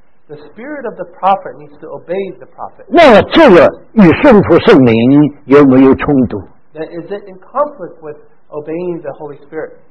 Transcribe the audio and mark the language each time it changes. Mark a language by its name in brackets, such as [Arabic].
[English] the spirit of the prophet needs to obey the prophet. [Chinese] 那这个与顺服圣灵有没有冲突? [English] Then is it in conflict with obeying the Holy Spirit?